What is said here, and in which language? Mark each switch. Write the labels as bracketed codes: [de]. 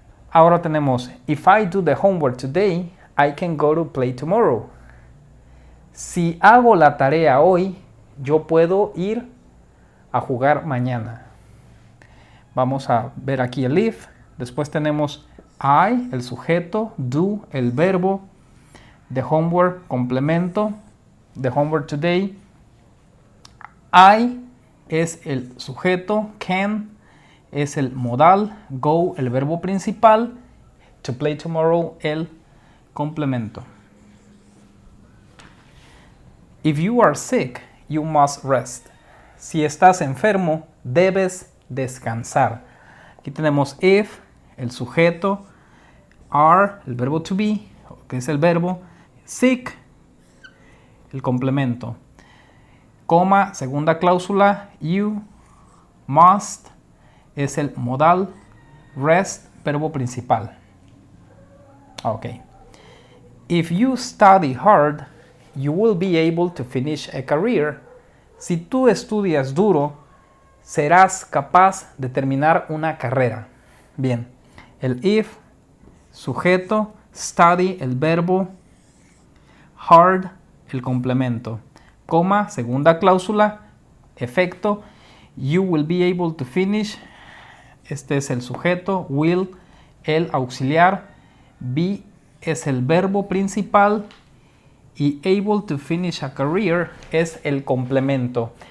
[es] Ahora tenemos, [en] if I do the homework today, I can go to play tomorrow. [es] Si hago la tarea hoy, yo puedo ir a jugar mañana. Vamos a ver aquí el if. Después tenemos I, el sujeto, do, el verbo, the homework, complemento, [en] the homework today. [es] I es el sujeto, can es el modal, go, el verbo principal, [en] to play tomorrow, [es] el complemento. [en] If you are sick, you must rest. [es] Si estás enfermo, debes descansar. Aquí tenemos if, el sujeto, are, el verbo to be, que es el verbo, sick, el complemento, coma, segunda cláusula, you, must, es el modal, rest, verbo principal. Ok. [en] If you study hard, you will be able to finish a career. [es] Si tú estudias duro, serás capaz de terminar una carrera. Bien, el if, sujeto, study, el verbo, hard, el complemento, coma, segunda cláusula, efecto, [en] you will be able to finish, [es] este es el sujeto, will, el auxiliar, be es el verbo principal y [en] able to finish a career [es] es el complemento.